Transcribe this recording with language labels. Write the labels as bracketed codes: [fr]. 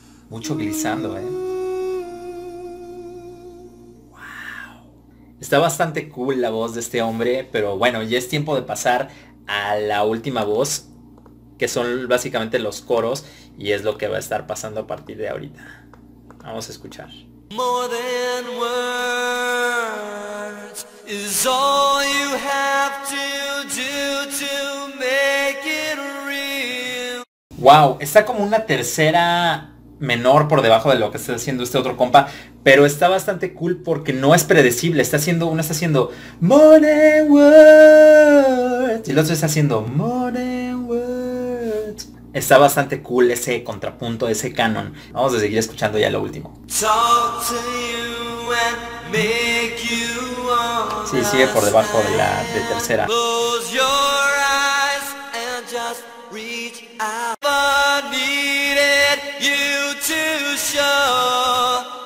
[es] Mucho glissando, Está bastante cool la voz de este hombre, pero bueno, ya es tiempo de pasar a la última voz, que son básicamente los coros, y es lo que va a estar pasando a partir de ahorita. Vamos a escuchar. [en] More than words is all you have to do to make it real. [es] Wow, está como una tercera menor por debajo de lo que está haciendo este otro compa, pero está bastante cool porque no es predecible. Está haciendo Morning Words y el otro está haciendo Morning Words. Está bastante cool ese contrapunto, ese canon. Vamos a seguir escuchando ya lo último. [en] Talk to you and make you understand. [es] Sí, sigue por debajo de la de tercera. [en] Close your eyes and just reach out. I needed you to show.